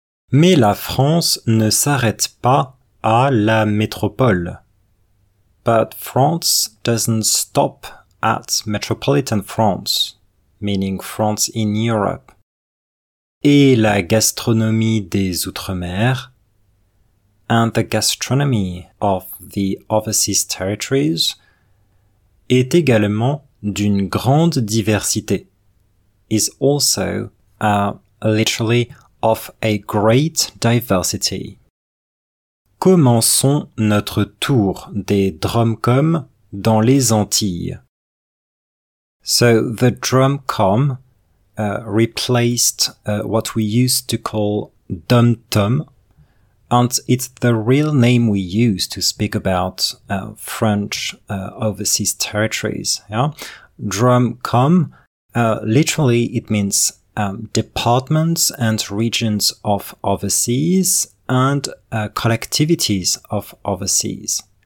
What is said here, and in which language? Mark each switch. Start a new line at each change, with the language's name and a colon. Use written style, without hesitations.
French: Mais la France ne s'arrête pas à la métropole.
English: But France doesn't stop at metropolitan France, meaning France in Europe.
French: Et la gastronomie des Outre-mer,
English: and the gastronomy of the overseas territories,
French: est également d'une grande diversité,
English: is also literally of a great diversity.
French: Commençons notre tour des drumcom dans les Antilles.
English: So the drum com replaced what we used to call dum tom, and it's the real name we use to speak about French overseas territories. Yeah, drum com literally it means departments and regions of overseas and collectivities of overseas.